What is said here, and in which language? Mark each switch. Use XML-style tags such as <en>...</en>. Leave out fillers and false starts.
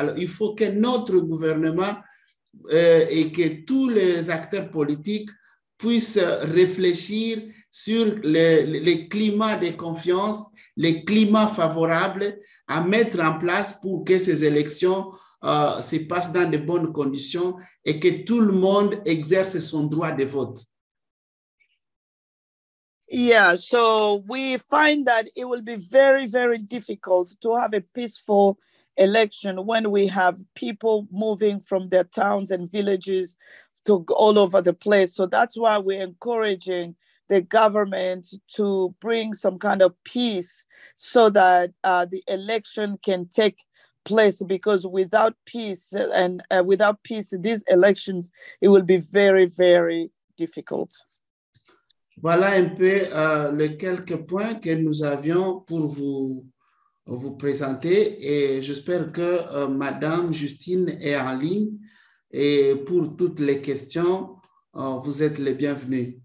<fr>Alors, il faut que notre gouvernement et que tous les acteurs politiques puissent réfléchir sur le climat de confiance, le climat favorable à mettre en place pour que ces élections se passe dans de bonnes conditions et que tout le monde exerce son droit de vote.</fr> <en>Yeah, so we find that it will be very, very difficult to have a peaceful election when we have people moving from their towns and villages to all over the place. So that's why we're encouraging the government to bring some kind of peace so that the election can take place, because without peace and without peace, these elections, it will be very, very difficult.</en> <fr>Voilà un peu les quelques points que nous avions pour vous présenter, et j'espère que Madame Justine est en ligne, et pour toutes les questions, vous êtes les bienvenus.</fr>